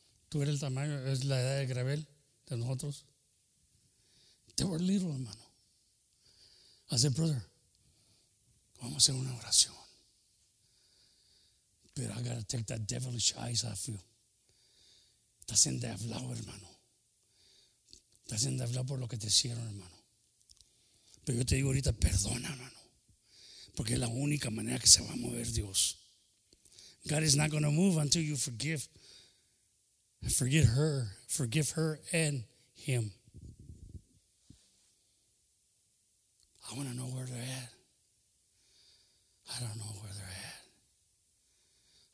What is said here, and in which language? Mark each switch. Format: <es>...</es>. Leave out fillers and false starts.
<es>Tú eres el tamaño, es la edad de Gravel, de nosotros.</es> <en>They were little,</en> <es>hermano.</es> <en>I said, brother,</en> <es>vamos a hacer una oración.</es> <en>But I gotta take that devilish eyes off you.</en> <es>Estás endeblado, hermano. Estás endeblado por lo que te hicieron, hermano. Pero yo te digo ahorita, perdona, hermano. Porque es la única manera que se va a mover Dios.</es> <en>God is not going to move until you forgive. Forget her. Forgive her and him. I want to know where they're at. I don't know where they're at.</en>